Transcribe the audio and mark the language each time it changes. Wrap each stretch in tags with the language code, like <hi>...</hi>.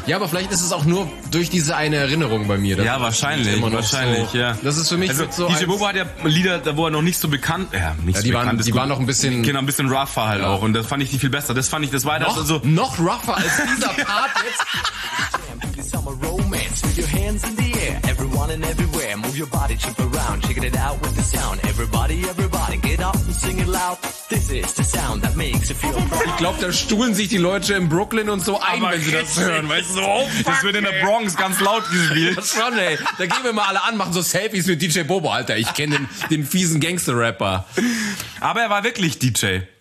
<de>Ja, aber vielleicht ist es auch nur durch diese eine Erinnerung bei mir. Ja, wahrscheinlich. Wahrscheinlich, so. Ja. Das ist für mich also, so. DJ Bobo hat ja Lieder, da wo er noch nicht so bekannt. Ja, nicht ja, die so waren, bekannt. Die waren noch ein bisschen. Genau, ein bisschen rougher halt auch. Und das fand ich nicht viel besser. Das fand ich, das war noch, das also. Noch rougher als dieser Part jetzt.</de> <en>Damn, it's summer romance with your hands in the air. Everyone and everywhere. Move your body, chip around. Check it out with the sound. Everybody, get up and sing it loud. This is the sound that makes you feel proud.</en> <de>Ich glaube, da stuhlen sich die Leute im Brooklyn und so ein, aber wenn sie das hören, weißt du? So, das wird in der Bronx ganz laut gespielt. Das schon, ey. Da gehen wir mal alle an, machen so Selfies mit DJ Bobo, Alter. Ich kenne den fiesen Gangster-Rapper. Aber er war wirklich DJ.</de>